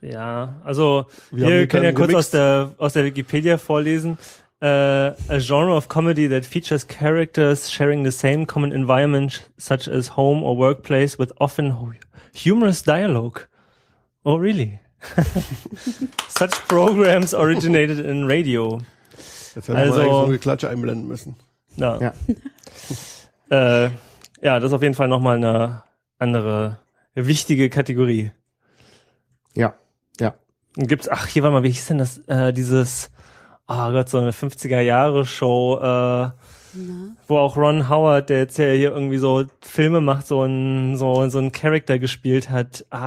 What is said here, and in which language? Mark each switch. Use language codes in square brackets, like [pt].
[de] Ja, also wir können ja kurz aus der Wikipedia vorlesen. [en] A genre of comedy that features characters sharing the same common environment such as home or workplace with often humorous dialogue. Oh, really? Such programs originated in radio. [de] Jetzt hätte also, man eigentlich so eine Klatsche einblenden müssen. Ja. Ja. ja, das ist auf jeden Fall nochmal eine andere wichtige Kategorie. Ja, ja. Gibt's, ach, hier, warte mal, wie hieß denn das, dieses, oh Gott, so eine 50er-Jahre-Show, wo auch Ron Howard, der jetzt ja hier irgendwie so Filme macht, so einen Charakter gespielt hat.